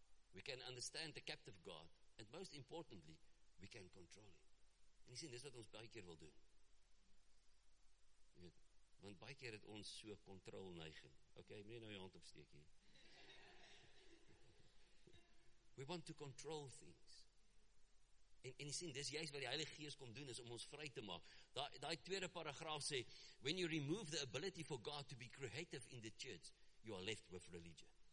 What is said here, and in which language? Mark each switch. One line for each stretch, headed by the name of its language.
English: We can understand the captive God, and most importantly, we can control him.
Afrikaans: En jy sê, dis wat ons baie keer wil doen. Want baie keer het ons so kontrol neiging. Okay, moet nie nou jou hand opsteek hier.
English: We want to control things.
Afrikaans: En jy sien, dis juist wat die Heilige Gees kom doen, is om ons vry te maak. Daai tweede paragraaf sê,
English: when you remove the ability for God to be creative in the church, you are left with religion.